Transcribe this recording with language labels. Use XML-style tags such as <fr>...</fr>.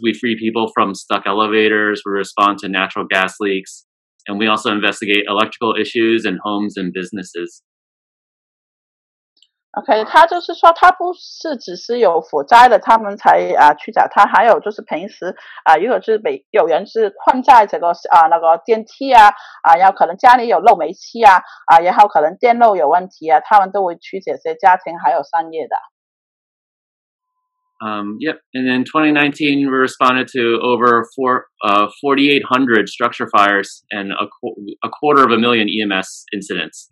<en>We free people from stuck elevators, we respond to natural gas leaks, and we also investigate electrical issues in homes and businesses.</en> <zh>Okay, 他就是说他不是只是有火灾的，他们才去找他。还有就是平时，如果是有人是困在这个电梯啊，然后可能家里有漏煤气啊，然后可能电路有问题啊，他们都会去解决家庭还有商业的。</zh> <en>And in 2019, we responded to over 4,800 structure fires and a quarter of a million EMS incidents.</en>